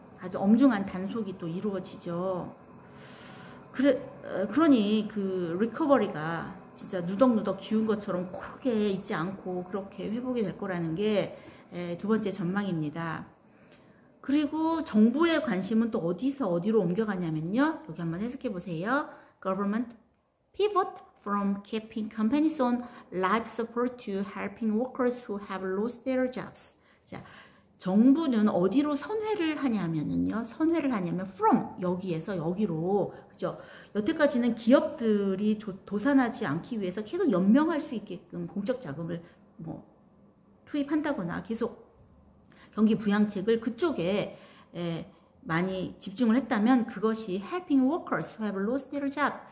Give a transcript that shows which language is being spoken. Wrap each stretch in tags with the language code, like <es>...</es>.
<ko>아주 엄중한 단속이 또 이루어지죠. 그러니 그 리커버리가 진짜 누덕누덕 기운 것처럼 크게 있지 않고 그렇게 회복이 될 거라는 게두 번째 전망입니다. 그리고 정부의 관심은 또 어디서 어디로 옮겨가냐면요. 여기 한번 해석해 보세요.</ko> <en>Government pivot from keeping companies on life support to helping workers who have lost their jobs.</en> <ko>자, 정부는 어디로 선회를 하냐면요. 선회를 하냐면 from 여기에서 여기로. 그죠? 여태까지는 기업들이 도산하지 않기 위해서 계속 연명할 수 있게끔 공적 자금을 뭐 투입한다거나 계속 경기 부양책을 그쪽에 많이 집중을 했다면 그것이</ko> <en>helping workers who have lost their job.</en>